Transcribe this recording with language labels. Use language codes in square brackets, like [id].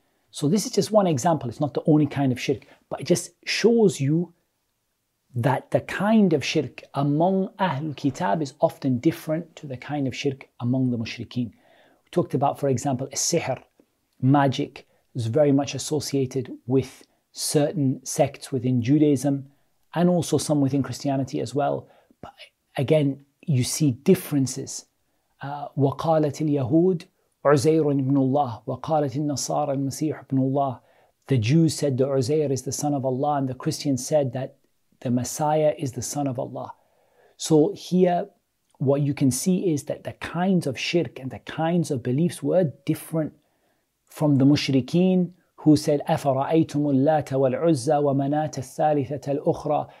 [en] So this is just one example. It's not the only kind of shirk, but it just shows you that the kind of shirk among Ahlul Kitab is often different to the kind of shirk among the mushrikeen. We talked about, for example, sihr, magic, is very much associated with certain sects within Judaism, and also some within Christianity as well. But again, you see differences. [ar] وقالت اليهود عزير ابن الله وقالت النصارى المسيح ابن الله. [en] The Jews said that Uzair is the son of Allah, and the Christians said that the Messiah is the son of Allah. So here, what you can see is that the kinds of shirk and the kinds of beliefs were different from the mushrikeen, who said, [ar] أَفَرَأَيْتُمُ اللَّاتَ وَالْعُزَّى وَمَنَاتَ الثَّالِثَةَ الْأُخْرَى.